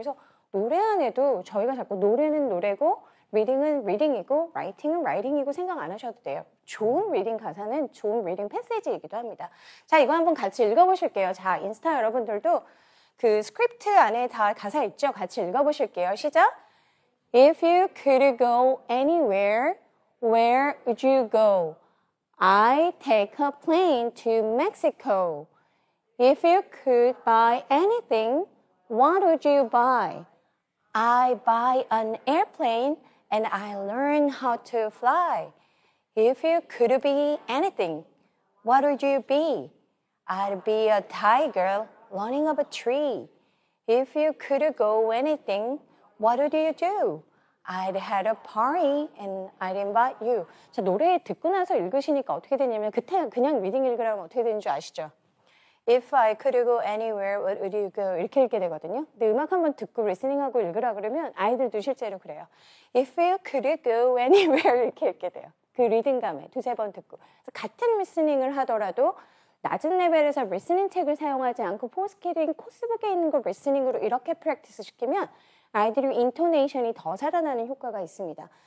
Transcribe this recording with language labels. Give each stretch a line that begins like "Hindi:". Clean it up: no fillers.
Korean: 그래서 노래 안에도 저희가 자꾸 노래는 노래고 리딩은 리딩이고 라이팅은 라이팅이고 생각 안 하셔도 돼요. 좋은 리딩 가사는 좋은 리딩 패시지이기도 합니다. 자, 이거 한번 같이 읽어보실게요. 자, 인스타 여러분들도 그 스크립트 안에 다 가사 있죠? 같이 읽어보실게요. 시작!
English: If you could go anywhere, where would you go? I take a plane to Mexico. If you could buy anything, what would you buy? I buy an airplane and I learn how to fly. If you could be anything, what would you be? I'd be a tiger running up a tree. If you could go anything, what would you do? I'd had a party and I'd invite you.
Korean: 자, 노래 듣고 나서 읽으시니까 어떻게 되냐면 그냥 리딩 읽으라면 어떻게 되는 줄 아시죠?
English: If I could go anywhere, what would you go?
Korean: 이렇게 읽게 되거든요. 근데 음악 한번 듣고 리스닝하고 읽으라 그러면 아이들도 실제로 그래요.
English: If you could go anywhere,
Korean: 이렇게 읽게 돼요. 그 리듬감에 두세 번 듣고. 그래서 같은 리스닝을 하더라도 낮은 레벨에서 리스닝 책을 사용하지 않고 포스케링 코스북에 있는 걸 리스닝으로 이렇게 프랙티스 시키면 아이들의 인토네이션이 더 살아나는 효과가 있습니다.